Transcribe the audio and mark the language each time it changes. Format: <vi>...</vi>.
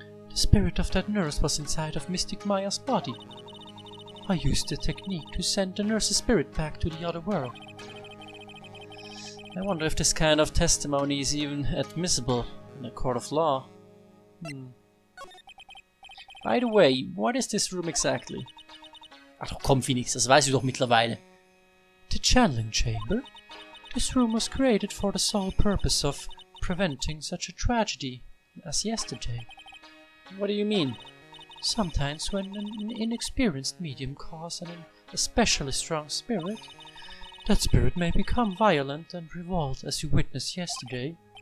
<en>The spirit of that nurse was inside of Mystic Maya's body. I used the technique to send the nurse's spirit back to the other world. I wonder if this kind of testimony is even admissible in a court of law. By the way, what is this room exactly?</en> <de>Ach doch, komm, Phoenix, das weißt du doch mittlerweile.</de> <en>The channeling chamber? This room was created for the sole purpose of preventing such a tragedy as yesterday. What do you mean? Sometimes when an inexperienced medium calls an especially strong spirit, that spirit may become violent and revolt as you witnessed yesterday.</en>